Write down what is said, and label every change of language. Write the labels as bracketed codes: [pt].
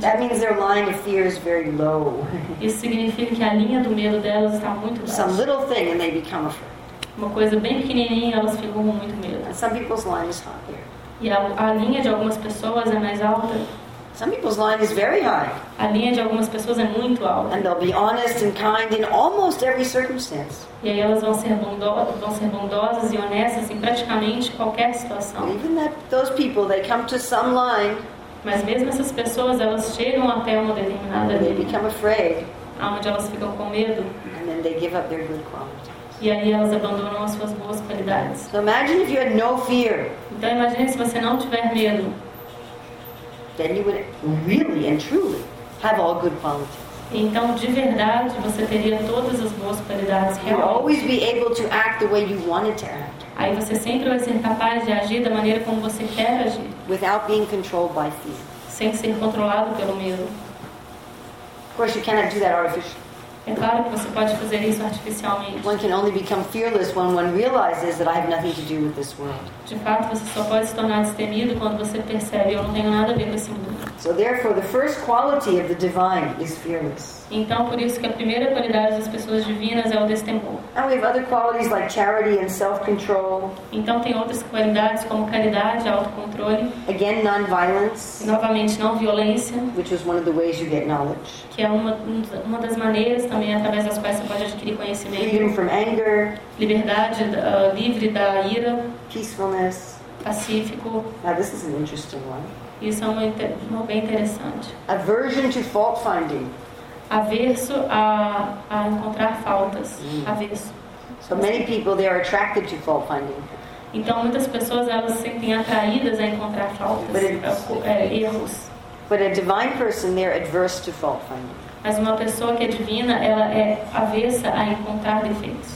[en] That means their line of fear is very low. [pt] Isso significa que a linha do medo delas está muito baixa. [en] Some little thing and they become afraid. [pt] Uma coisa bem pequenininha, elas ficam com muito medo. [en] And some people's line is higher. [pt] E a linha de algumas pessoas é mais alta. [en] Some people's line is very high. [pt] A linha de algumas pessoas é muito alta. [en] And they'll be honest and kind in almost every circumstance. [pt] E aí elas vão ser bondosas e honestas em praticamente qualquer situação. [en] Even that, those people, they come to some line. [pt] Mas mesmo essas pessoas, elas chegam até uma determinada linha. [en] They become afraid. [pt] Aonde elas ficam com medo. [en] And then they give up their good qualities. [pt] E aí elas abandonam as suas boas qualidades. [en] So imagine if you had no fear. [pt] Então imagine se você não tiver medo. [en] Then you would really and truly have all good qualities. [pt] Então de verdade você teria todas as boas qualidades. [en] You'd always be able to act the way you wanted to act. [pt] Aí você sempre vai ser capaz de agir da maneira como você quer agir. [en] Without being controlled by fear. [pt] Sem ser controlado pelo medo. [en] Of course, you cannot do that artificially. [pt] É claro que você pode fazer isso artificialmente. [en] One can only become fearless when one realizes that I have nothing to do with this world. [pt] De fato, você só pode se tornar destemido quando você percebe eu não tenho nada a ver com esse mundo. [en] So therefore, the first quality of the divine is fearless. [pt] Então, por isso que a primeira qualidade das pessoas divinas é o destemor. [en] And we have other qualities like charity and self-control. [pt] Então, tem outras qualidades como caridade, autocontrole. [en] Again, non-violence. [pt] E, novamente, não violência. [en] Which is one of the ways you get knowledge. [pt] Que é uma das maneiras também através das quais você pode adquirir conhecimento. [en] Freedom from anger. [pt] Liberdade, livre da ira. [en] Peacefulness. [pt] Pacífico. [en] Now, this is an interesting one. [pt] Isso é uma bem interessante. [en] Aversion to fault finding. [pt] Averso a encontrar faltas. Mm. Averso. [en] So many people, they are attracted to fault finding. [pt] Então muitas pessoas elas se sentem atraídas a encontrar faltas, erros. [en] But a divine person, they're adverse to fault finding. [pt] Mas uma pessoa que é divina, ela é avessa a encontrar defeitos.